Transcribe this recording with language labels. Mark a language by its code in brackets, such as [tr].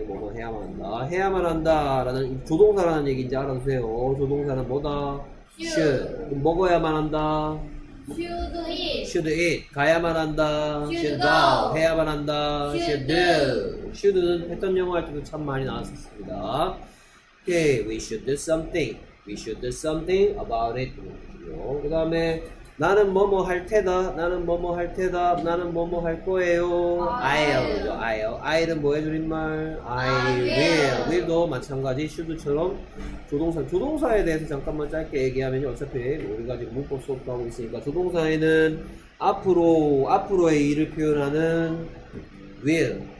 [ko] 뭐뭐 해야만 한다라는 조동사라는 얘기인지 알아두세요. 조동사는 뭐다? should. 그럼 먹어야만 한다. [en] should eat. [ko] 가야만 한다. [en] should go. [ko] 해야만 한다. [en] should do. [ko] should는 패턴 영어할 때도 참 많이 나왔었습니다. [en] 오케이. we should do something. we should do something about it. [ko] 그 다음에 나는 뭐뭐 할 테다. 나는 뭐뭐 할 테다. 나는 뭐뭐 할 거예요. I'll죠. I'll. I'll은 뭐해 줄임말. [en] I will. [ko] will도 마찬가지. should처럼 조동사. 조동사에 대해서 잠깐만 짧게 얘기하면 어차피 우리가 지금 문법 수업도 하고 있으니까 조동사에는 앞으로의 일을 표현하는 will.